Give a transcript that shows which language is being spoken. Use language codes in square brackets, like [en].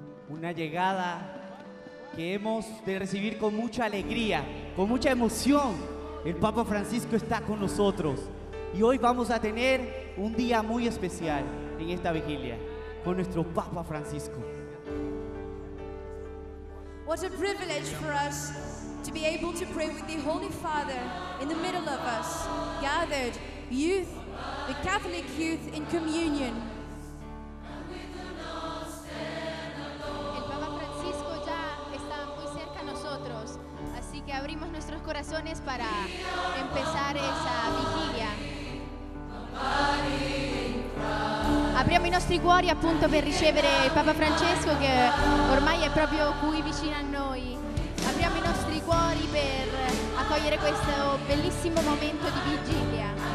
[es] Una llegada que hemos de recibir con mucha alegría, con mucha emoción. El Papa Francisco está con nosotros y hoy vamos a tener un día muy especial en esta vigilia con nuestro Papa Francisco. [en] What a privilege for us to be able to pray with the Holy Father in the middle of us, gathered youth, the Catholic youth in communion. [es] El Papa Francisco ya está muy cerca a nosotros, así que abrimos nuestros corazones para empezar esa vigilia. [it] Apriamo i nostri cuori appunto per ricevere il Papa Francesco che ormai è proprio qui vicino a noi. Apriamo i nostri cuori per accogliere questo bellissimo momento di vigilia.